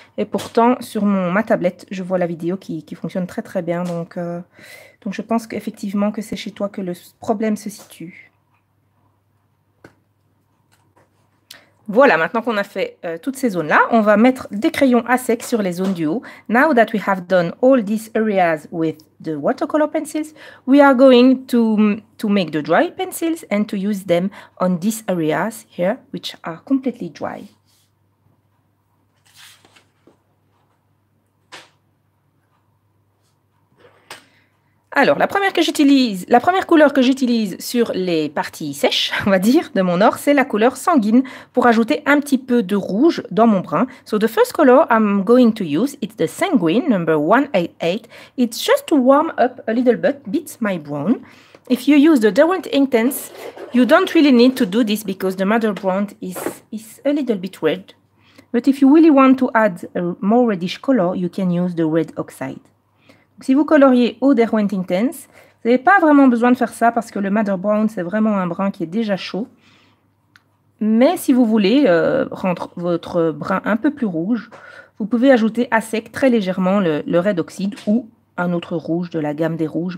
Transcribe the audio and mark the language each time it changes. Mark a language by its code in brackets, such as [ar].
[fr] Et pourtant, sur ma tablette, je vois la vidéo qui fonctionne très très bien. Donc je pense qu'effectivement que c'est chez toi que le problème se situe. Voilà, maintenant qu'on a fait toutes ces zones-là, on va mettre des crayons à sec sur les zones du haut. [en] Now that we have done all these areas with the watercolor pencils, we are going to make the dry pencils and to use them on these areas here, which are completely dry. [fr] Alors, la première couleur que j'utilise sur les parties sèches, on va dire, de mon or, c'est la couleur sanguine pour ajouter un petit peu de rouge dans mon brun. [en] So, the first color I'm going to use, it's the sanguine, number 188. It's just to warm up a little bit my brown. If you use the Derwent Intense, you don't really need to do this because the mother brown is a little bit red. But if you really want to add a more reddish color, you can use the red oxide. [fr] Si vous coloriez au Derwent Intense, vous n'avez pas vraiment besoin de faire ça parce que le Mother Brown, c'est vraiment un brun qui est déjà chaud. Mais si vous voulez rendre votre brun un peu plus rouge, vous pouvez ajouter à sec très légèrement le Red Oxide ou un autre rouge de la gamme des rouges.